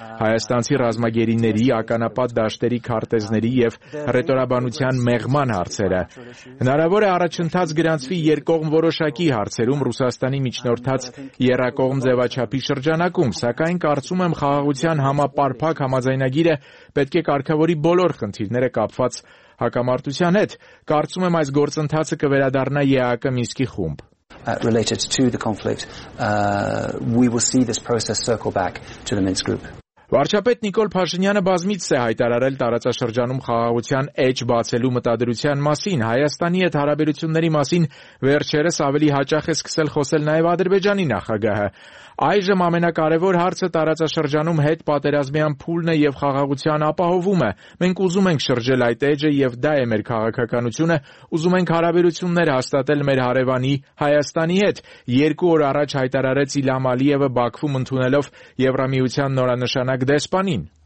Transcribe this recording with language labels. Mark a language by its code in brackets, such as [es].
[hy] հայաստանցի ռազմագերիների ականապատ դաշտերի քարտեզների եւ ռետորաբանության մեղման հարցերը։ Հնարավոր է առաջընթաց գրանցվի երկկողմ որոշակի հարցերում Ռուսաստանի միջնորդած երրակողմ ձևաչափի շրջանակում, սակայն կարծում եմ խաղաղության համապարփակ համաձայնագիրը պետք է կարգավորի բոլոր խնդիրները կապված հակամարտության հետ։ Կարծում եմ այս գործընթացը կվերադառնա ԵԱԿ Մինսկի խումբ։ [en] Related to the conflict, we will see this process circle back to the Minsk group. [hy] Վարչապետ Նիկոլ Փաշինյանը բազմից է հայտարարել տարածաշրջանում խաղաղության էջ բացելու մտադրության մասին, Հայաստանի հետ հարաբերությունների մասին վերջերս ավելի հաճախ է սկսել խոսել նաև Ադրբեջանի նախագահը։ Այժմ ամենակարևոր հարցը տարածաշրջանում հետ պատերազմյան փուլն է եւ խաղաղության ապահովումը։ Մենք ուզում ենք շրջել այդ էջը եւ դա է մեր քաղաքականությունը, ուզում ենք հարաբերություններ հաստատել մեր հարևանի Հայաստանի հետ։ Երկու օր առաջ հայտարարեց Իլհամ Ալիևը Բաքվում ընդունելով Եվրամիության նորանշան Դեսպանին։